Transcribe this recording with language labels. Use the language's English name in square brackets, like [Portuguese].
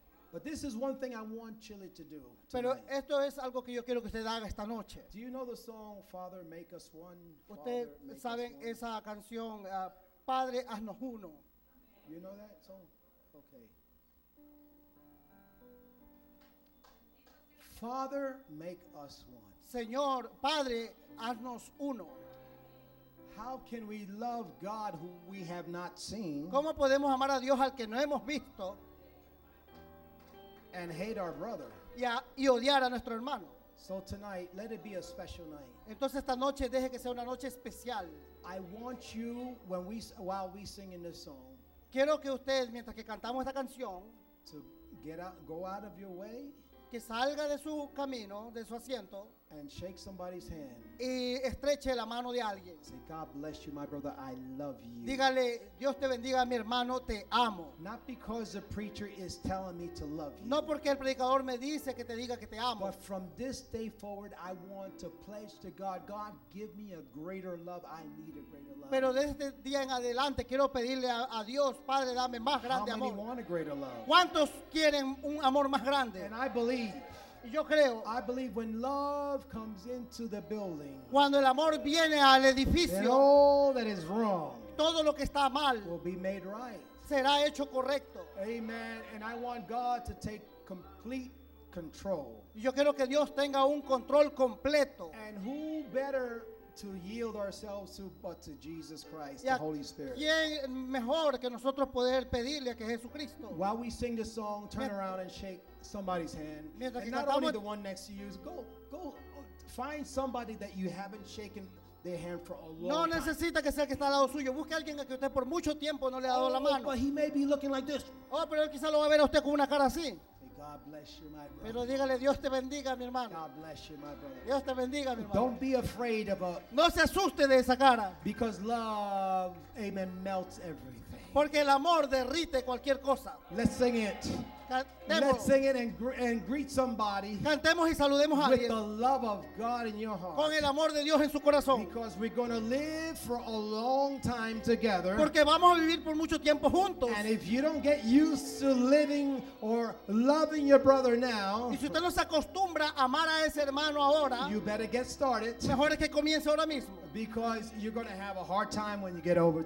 [English] But this is one thing I want Chile to do. [Spanish] Pero esto es algo que yo quiero que usted haga esta noche. [English] Do you know the song "Father, Make Us One"? [Spanish] Usted saben esa canción, Padre, haznos uno. [English] You know that song? Okay. Father, make us one. [Spanish] Señor, Padre, haznos uno. [English] How can we love God who we have not seen? [Spanish] ¿Cómo podemos amar a Dios al que no hemos visto? [English] And hate our brother. [Spanish] Yeah, y odiar a nuestro hermano. [English] So tonight, let it be a special night. [Spanish] Entonces esta noche deje que sea una noche especial. [English] I want you while we sing in this song. [Spanish] Quiero que ustedes mientras que cantamos esta canción, [English] to go out of your way. [Spanish] Que salga de su camino, de su asiento. [English] and shake somebody's hand. [Spanish] Y estreche la mano de alguien. [English] Say, God bless you, my brother. I love you. [Spanish] Dígale, Dios te bendiga, mi hermano. Te amo. [English] Not because the preacher is telling me to love you. [Spanish] No porque el predicador me dice que te diga que te amo. [English] But from this day forward, I want to pledge to God. God, give me a greater love. I need a greater love. [Spanish] Pero desde el día en adelante quiero pedirle a Dios, Padre, dame más grande amor. [English] How many want a greater love? [Spanish] ¿Cuántos quieren un amor más grande? [English] And I believe. [Spanish] Yo creo, [English] I believe when love comes into the building, [Spanish] cuando el amor viene al edificio, [English] all that is wrong, [Spanish] todo lo que está mal, [English] will be made right, [Spanish] será hecho correcto. [English] Amen. And I want God to take complete control. [Spanish] Yo quiero que Dios tenga un control completo. [English] And who better to yield ourselves to but to Jesus Christ, the Holy Spirit. [Spanish] ¿Quién mejor que nosotros poder pedirle que Jesucristo? [English] While we sing the song, turn around and shake somebody's hand. And not only the one next to you, go find somebody that you haven't shaken their hand for a long time. [Spanish] No necesita que sea que está al lado suyo. Busque a alguien que usted por mucho tiempo no le ha dado la mano. [English] But he may be looking like this. [Spanish] Oh, pero él quizá lo va a ver a usted con una cara así. [English] God bless you, my brother. [Spanish] Pero dígale, Dios te bendiga, mi hermano. [English] God bless you, my brother. [Spanish] Dios te bendiga, mi hermano. [English] Don't be afraid of a. [Spanish] No se asuste de esa cara. [English] Because love, amen, melts everything. [Spanish] Porque el amor derrite cualquier cosa. [English] Let's sing it. [Spanish] Cantemos. [English] Let's sing it and greet somebody. [Spanish] Cantemos y saludemos a alguien. [English] With the love of God in your heart. [Spanish] Con el amor de Dios en su corazón. [English] Because we're going to live for a long time together. [Spanish] Porque vamos a vivir por mucho tiempo juntos. [English] And if you don't get used to living or loving your brother now, [Spanish] y si usted no se acostumbra a amar a ese hermano ahora, [English] you better get started. [Spanish] Mejor es que comience ahora mismo. [English] Because you're going to have a hard time when you get over to